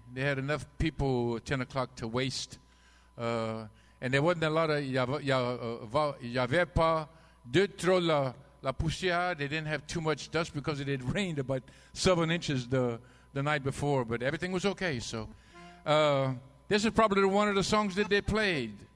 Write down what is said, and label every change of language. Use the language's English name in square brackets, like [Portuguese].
[English] They had enough people at 10 o'clock to waste. And there wasn't a lot of... [French] Y avait pas deux trop la poussière. [English] They didn't have too much dust because it had rained about 7 inches the night before. But everything was okay, so... this is probably one of the songs that they played.